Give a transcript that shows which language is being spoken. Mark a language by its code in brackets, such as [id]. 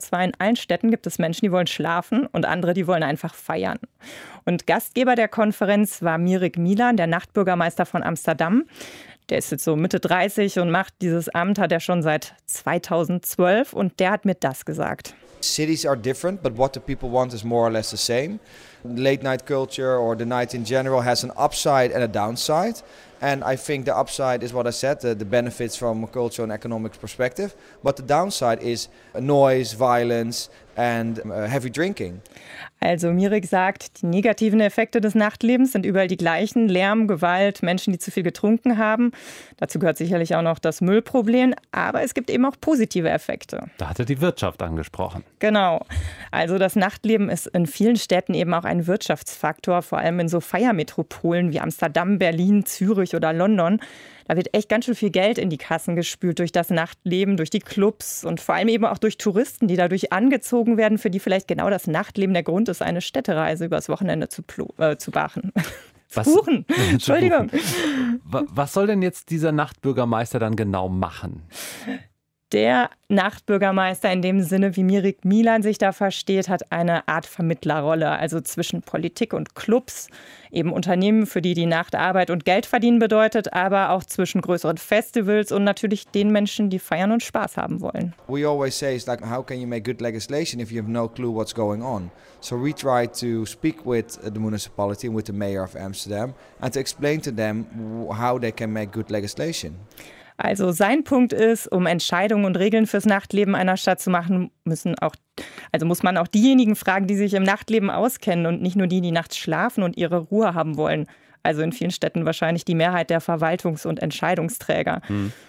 [de] Und zwar in allen Städten gibt es Menschen, die wollen schlafen und andere, die wollen einfach feiern. Und Gastgeber der Konferenz war Mirik Milan, der Nachtbürgermeister von Amsterdam. Der ist jetzt so Mitte 30 und macht dieses Amt, hat er schon seit 2012 und der hat mir das gesagt. [en] Cities are different, but what the people want is more or less the same. Late night culture or the night in general has an upside and a downside. And I think the upside is what I said, the benefits from a cultural and economic perspective. But the downside is noise, violence and heavy drinking. [de] Also Mirik sagt, die negativen Effekte des Nachtlebens sind überall die gleichen. Lärm, Gewalt, Menschen, die zu viel getrunken haben. Dazu gehört sicherlich auch noch das Müllproblem. Aber es gibt eben auch positive Effekte. Da hat er die Wirtschaft angesprochen. Genau. Also das Nachtleben ist in vielen Städten eben auch ein Wirtschaftsfaktor. Vor allem in so Feiermetropolen wie Amsterdam, Berlin, Zürich oder London. Da wird echt ganz schön viel Geld in die Kassen gespült durch das Nachtleben, durch die Clubs und vor allem eben auch durch Touristen, die dadurch angezogen werden, für die vielleicht genau das Nachtleben der Grund ist, eine Städtereise übers Wochenende zu buchen. Entschuldigung. Was soll denn jetzt dieser Nachtbürgermeister dann genau machen? Der Nachtbürgermeister in dem Sinne, wie Mirik Milan sich da versteht, hat eine Art Vermittlerrolle, also zwischen Politik und Clubs, eben Unternehmen, für die die Nacht Arbeit und Geld verdienen bedeutet, aber auch zwischen größeren Festivals und natürlich den Menschen, die feiern und Spaß haben wollen. [en] We always say, it's like, how can you make good legislation if you have no clue what's going on? So we try to speak with the municipality and with the mayor of Amsterdam and to explain to them how they can make good legislation. [de] Also sein Punkt ist, um Entscheidungen und Regeln fürs Nachtleben einer Stadt zu machen, muss man auch diejenigen fragen, die sich im Nachtleben auskennen und nicht nur die, die nachts schlafen und ihre Ruhe haben wollen. Also in vielen Städten wahrscheinlich die Mehrheit der Verwaltungs- und Entscheidungsträger. Hm.